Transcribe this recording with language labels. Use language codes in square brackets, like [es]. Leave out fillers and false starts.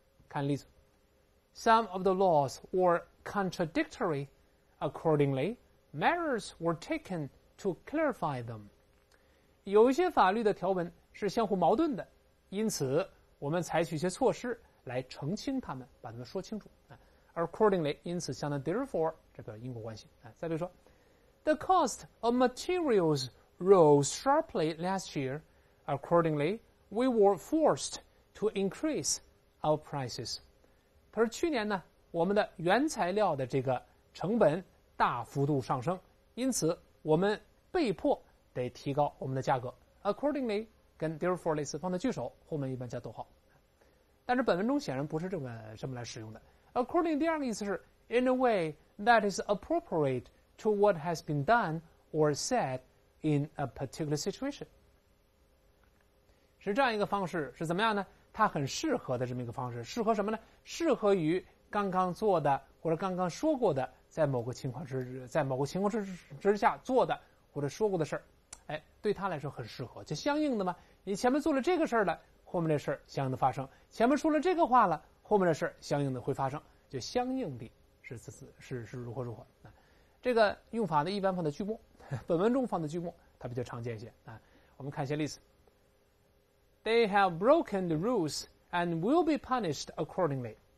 [zh] 看例子， [en] Some of the laws were contradictory. Accordingly, measures were taken to clarify them. [zh] 有一些法律的条文是相互矛盾的，因此我们采取一些措施来澄清它们，把它们说清楚。 Accordingly, 因此相当于 therefore 这个因果关系。再比如说， [en] The cost of materials rose sharply last year. Accordingly, we were forced to increase our prices. [zh] 他说去年呢我们的原材料的这个成本大幅度上升，因此我们被迫得提高我们的价格。 Accordingly 跟 therefore 类似，放在句首后面一般加逗号，但是本文中显然不是这么来使用的。 [en] Accordingly [zh] 第二个意思是 [en] in a way that is appropriate to what has been done or said in a particular situation， [zh] 是这样一个方式，是怎么样呢？它很适合的这么一个方式，适合什么呢？适合于刚刚做的或者刚刚说过的，在某个情况之下做的或者说过的事儿，哎，对他来说很适合，就相应的嘛。你前面做了这个事儿了，后面的事儿相应的发生；前面说了这个话了，后面的事儿相应的会发生，就相应的是如何如何。这个用法呢，一般放在句末，本文中放在句末，它比较常见一些啊。我们看一些例子。 [en] They have broken the rules and will be punished accordingly.